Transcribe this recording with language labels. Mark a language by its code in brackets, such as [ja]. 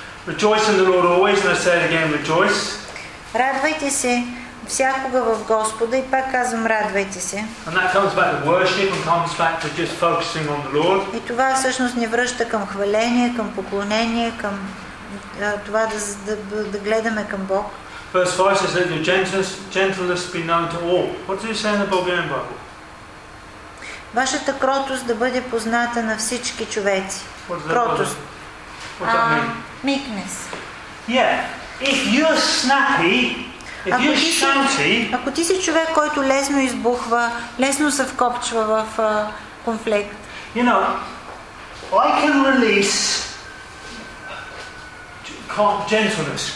[en] Rejoice in the Lord always, and I say it again, rejoice. [bg] Радвайте се всякога в Господа, и пак казвам, радвайте се. [en] And that comes back to worship and comes back to just focusing on the Lord. [bg] И това всъщност ни връща към хваление, към поклонение, към това да гледаме към Бог. [en] Verse 5 says, let your gentleness be known to all. What does it say in the Bulgarian Bible? [bg] Вашата кротост да бъде позната на всички човеци. Кротост. [en] Meekness. Yeah. If you're snappy, if you're shouty, [bg] ако ти си човек, който лесно избухва, лесно се вкопчва в конфликт. [en] You know, I can release gentleness.